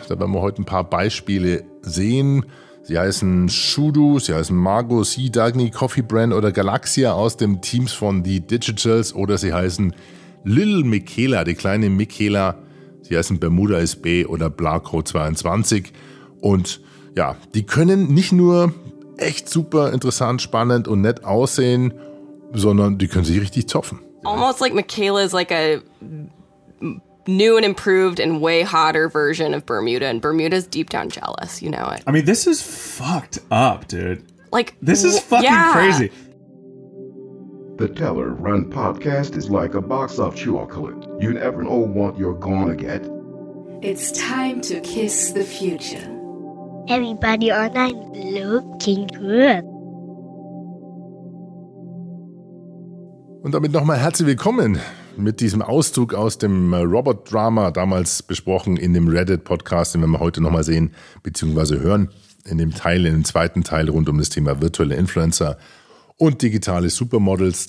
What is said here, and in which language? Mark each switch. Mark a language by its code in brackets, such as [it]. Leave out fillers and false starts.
[de] Da werden wir heute ein paar Beispiele sehen. Sie heißen Shudu, sie heißen Margo, Sea Dagny, Coffee Brand oder Galaxia aus dem Teams von The Digitals. Oder sie heißen Lil Mikela, die kleine Mikela. Sie heißen Bermuda SB oder Blarco 22. Und ja, die können nicht nur echt super interessant, spannend und nett aussehen, sondern die können sich richtig zopfen. [en] Almost like Mikela is like a new and improved and way hotter version of Bermuda. And Bermuda's deep down jealous, you know it. I mean, this is fucked up, dude. Like, this is fucking crazy. The Teller Run podcast is like a box of chocolate. You never know what you're gonna get. It's time to kiss the future. Everybody online looking good. [de] Und damit nochmal herzlich willkommen mit diesem Auszug aus dem Robot-Drama, damals besprochen in dem Reddit-Podcast, den wir heute nochmal sehen bzw. hören, in dem Teil, in dem zweiten Teil rund um das Thema virtuelle Influencer und digitale Supermodels.